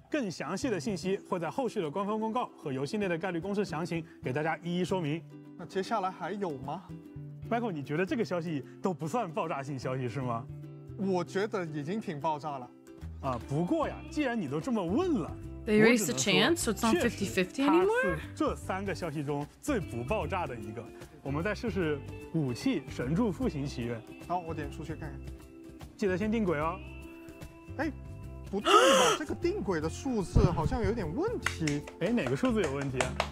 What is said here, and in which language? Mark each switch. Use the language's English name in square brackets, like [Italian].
[Chinese] 更详细的信息会在后续的官方公告和游戏内的概率公式详情给大家一一说明那接下来还有吗 Michael 你觉得这个消息都不算爆炸性消息是吗我觉得已经挺爆炸了啊，不过呀既然你都这么问了 [English] They raised the chance so it's not 50-50 anymore [Chinese] 这三个消息中最不爆炸的一个我们再试试武器神柱复行祈愿好我点出去看看记得先定轨哦哎不对吧？这个定轨的数字好像有点问题。哎，哪个数字有问题啊？